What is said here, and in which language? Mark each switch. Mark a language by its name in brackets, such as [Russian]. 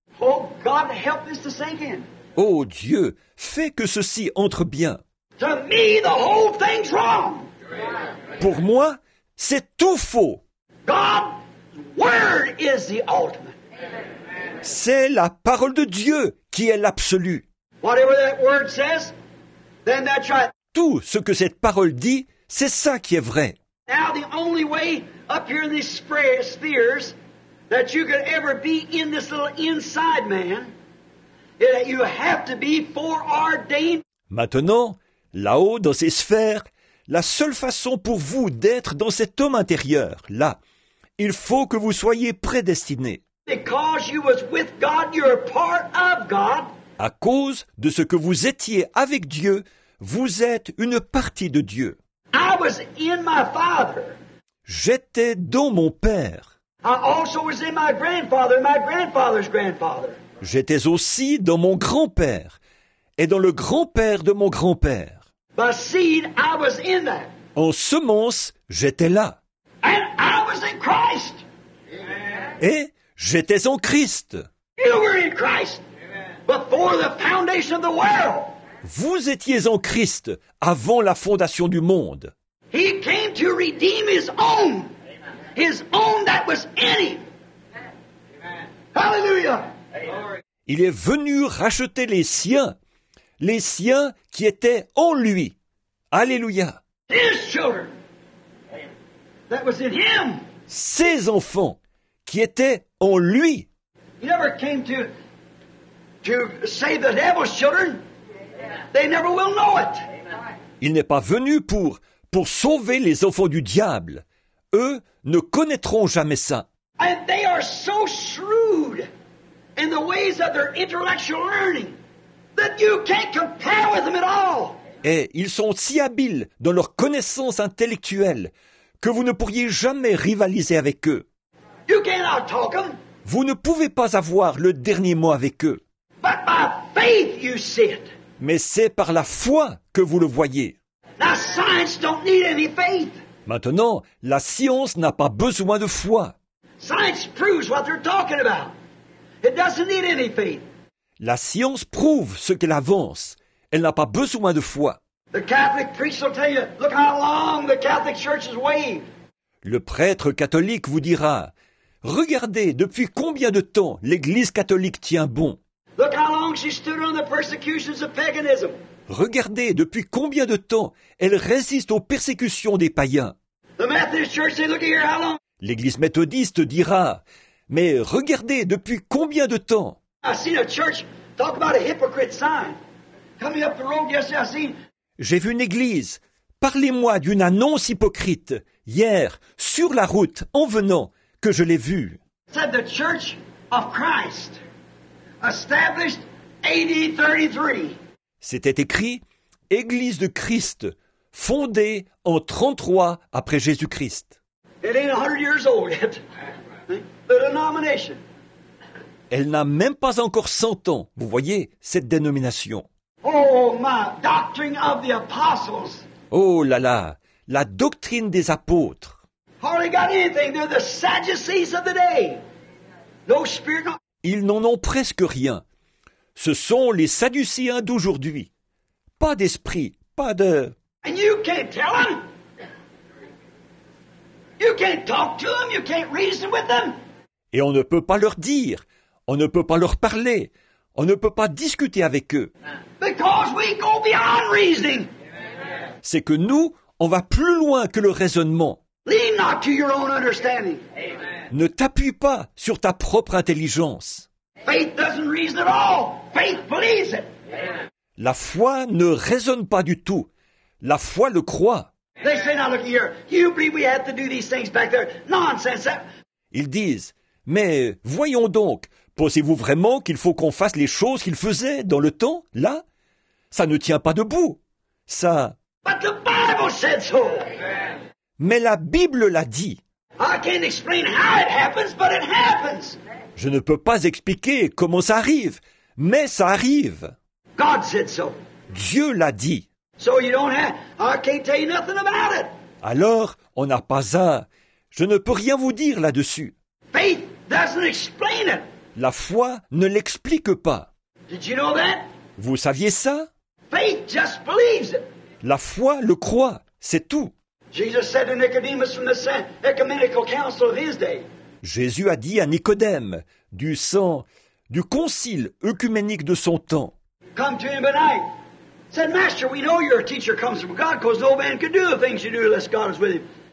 [English] Oh, God, help this to sink in. [French] Oh Dieu, fais que ceci entre bien. [English] To me, the whole thing's wrong. [French] Pour moi, c'est tout faux. [English] God's word is the ultimate. [French] C'est la parole de Dieu qui est l'absolu. [English] Whatever that word says, then that's right. [French] Tout ce que cette parole dit, c'est ça qui est vrai. [English] Now the only way up here in these spheres that you could ever be in this little inside man is that you have to be foreordained. [French] Maintenant, là-haut dans ces sphères, la seule façon pour vous d'être dans cet homme intérieur, là, il faut que vous soyez prédestiné. [English] Because you was with God, you're part of God. [French] À cause de ce que vous étiez avec Dieu, vous êtes une partie de Dieu. [English] I was in my father. [French] J'étais dans mon père. [English] I also was in my grandfather, my grandfather's grandfather. [French] J'étais aussi dans mon grand-père et dans le grand-père de mon grand-père. [English] By seed, I was in that. [French] En semence, j'étais là. [English] And I was in Christ. [French] Et j'étais en Christ. [English] You were in Christ before the foundation of the world. [French] Vous étiez en Christ avant la fondation du monde. [English] He came to redeem his own that was in him. Hallelujah. [French] Il est venu racheter les siens. Les siens qui étaient en lui. Alléluia. [English] His children. That was in him. [French] Ses enfants qui étaient en lui. [English] He never came to save the devil's children. They never will know it. [French] Il n'est pas venu pour sauver les enfants du diable. Eux ne connaîtront jamais ça. [English] And they are so shrewd in the ways of their intellectual learning. That you can't compare with them at all. [French] Et ils sont si habiles dans leur connaissance intellectuelle que vous ne pourriez jamais rivaliser avec eux. [English] You can't out-talk them. [French] Vous ne pouvez pas avoir le dernier mot avec eux. [English] But by faith you see it. [French] Mais c'est par la foi que vous le voyez. [English] Now, science don't need any faith. [French] Maintenant, la science n'a pas besoin de foi. [English] Science proves what they're talking about. It doesn't need any faith. [French] La science prouve ce qu'elle avance. Elle n'a pas besoin de foi. [English] The Catholic priest will tell you, look how long the Catholic Church has waved. [French] Le prêtre catholique vous dira, regardez depuis combien de temps l'Église catholique tient bon. [English] Look how long she stood on the persecutions of paganism. [French] Regardez depuis combien de temps elle résiste aux persécutions des païens. [English] The Methodist Church says, look here, how long. [French] L'Église méthodiste dira, mais regardez depuis combien de temps. [English] I seen a church talk about a hypocrite sign. Coming up the road yesterday, I seen. [French] J'ai vu une église. Parlez-moi d'une annonce hypocrite hier sur la route en venant que je l'ai vue. [English] Said the Church of Christ established AD 33. [French] C'était écrit Église de Christ fondée en 33 après Jésus-Christ. [English] It ain't 100 years old yet. The denomination. [French] Elle n'a même pas encore 100 ans, vous voyez, cette dénomination. [English] Oh, my doctrine of the apostles. [French] Oh là là, la doctrine des apôtres. [English] Hardly got anything. They're the Sadducees of the day. No spirit, no. [French] Ils n'en ont presque rien. Ce sont les Sadducéens d'aujourd'hui. Pas d'esprit, pas de. [English] And you can't tell them. You can't talk to them. You can't reason with them. [French] Et on ne peut pas leur dire. On ne peut pas leur parler. On ne peut pas discuter avec eux. [English] Because we go beyond reasoning. [French] C'est que nous, on va plus loin que le raisonnement. [English] Lean not to your own understanding. Amen. [French] Ne t'appuie pas sur ta propre intelligence. [English] Faith doesn't reason at all. Faith believes it. [French] La foi ne raisonne pas du tout. La foi le croit. [English] They say, now look here, you believe we have to do these things back there. Nonsense. [French] Ils disent, mais voyons donc, pensez-vous vraiment qu'il faut qu'on fasse les choses qu'il faisait dans le temps, là? Ça ne tient pas debout. Ça. [English] But the Bible said so. [French] Mais la Bible l'a dit. [English] I can't explain how it happens, but it happens. [French] Je ne peux pas expliquer comment ça arrive, mais ça arrive. [English] God said so. [French] Dieu l'a dit. [English] So you don't have, I can't tell you nothing about it. [French] Alors, on n'a pas à. Je ne peux rien vous dire là-dessus. [English] Faith doesn't explain it. [French] La foi ne l'explique pas. [English] Did you know that? [French] Vous saviez ça? [English] Faith just believes it. [French] La foi le croit, c'est tout. [English] Jesus said to Nicodemus from the ecumenical council of his day. [French] Jésus a dit à Nicodème du sang du concile œcuménique de son temps. [English] Come to him tonight. Said, Master, we know your teacher comes from God, because no man can do the things you do unless God is with him.